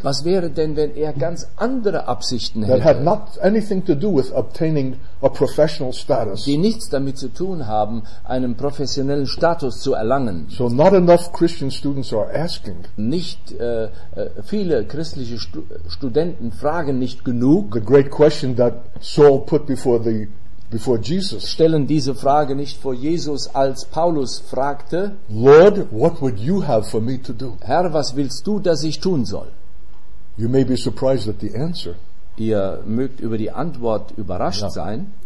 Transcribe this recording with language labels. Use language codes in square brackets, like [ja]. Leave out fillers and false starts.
[de] Was wäre denn, wenn er ganz andere Absichten [en] that That had not anything to do with obtaining a professional status. [de] Die nichts damit zu tun haben, einen professionellen Status zu erlangen. [en] So not enough Christian students are asking. [de] Nicht viele christliche Studenten fragen nicht genug. [en] The great question that Saul put before the before Jesus. [de] Stellen diese Frage nicht vor Jesus, als Paulus fragte: [en] Lord, what would you have for me to do? [de] Herr, was willst du, dass ich tun soll? [en] You may be surprised at the answer. [de] Ihr mögt über die Antwort überrascht ja sein.